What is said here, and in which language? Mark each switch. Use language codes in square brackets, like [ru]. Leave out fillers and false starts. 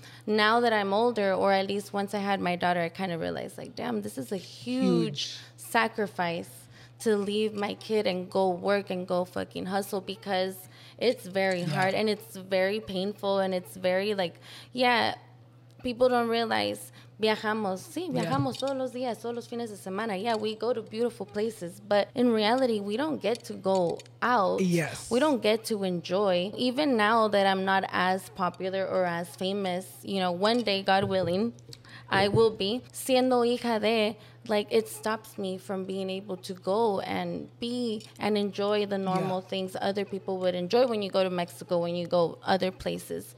[en] Now that I'm older, or at least once I had my daughter, I kind of realized like, damn, this is a huge sacrifice to leave my kid and go work and go fucking hustle, because it's very hard and it's very painful and it's very like, people don't realize [es] viajamos. Sí, viajamos todos los días, todos los fines de semana. [en] Yeah, we go to beautiful places, but in reality, we don't get to go out. Yes. We don't get to enjoy. Even now that I'm not as popular or as famous, you know, one day, God willing, I will be. [es] Siendo hija de, [en] like, it stops me from being able to go and be and enjoy the normal things other people would enjoy when you go to Mexico, when you go other places.